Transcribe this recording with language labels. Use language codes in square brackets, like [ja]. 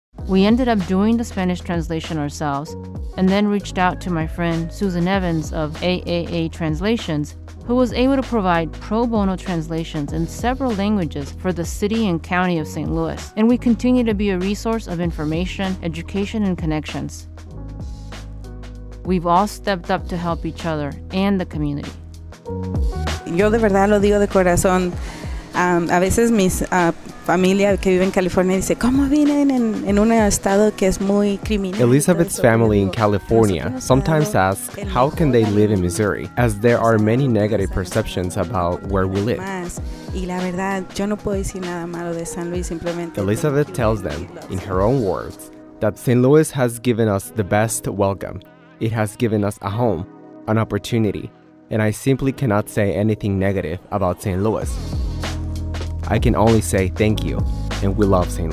[en] We ended up doing the Spanish translation ourselves and then reached out to my friend Susan Evans of AAA Translations, who was able to provide pro bono translations in several languages for the city and county of St. Louis. And we continue to be a resource of information, education, and connections. We've all stepped up to help each other and the community. [es] yo de verdad lo digo de corazón. A veces mis familia que vive en California dice, ¿cómo vienen en un estado que es muy criminal? [en] Elizabeth's family in California sometimes ask, how can they live in Missouri? As there are many negative perceptions about where we live. [es] Y la verdad, yo no puedo decir nada malo de San Luis, simplemente. [en] Elizabeth tells them, in her own words, that St. Louis has given us the best welcome. It has given us a home, an opportunity, and I simply cannot say anything negative about St. Louis. I can only say thank you, and we love St.